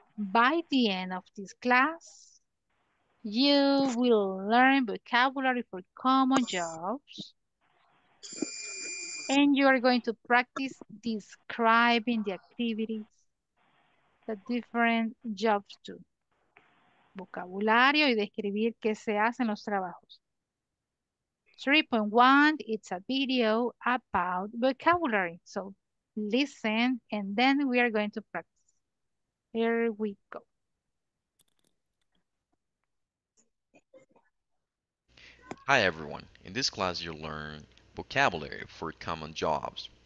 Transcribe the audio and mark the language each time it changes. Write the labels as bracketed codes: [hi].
[en] By the end of this class, you will learn vocabulary for common jobs. And you are going to practice describing the activities that different jobs do. [es] Vocabulario y describir qué se hace en los trabajos. [en] 3.1, it's a video about vocabulary. So listen, and then we are going to practice. Here we go. Hi everyone, in this class you'll learn vocabulary for common jobs.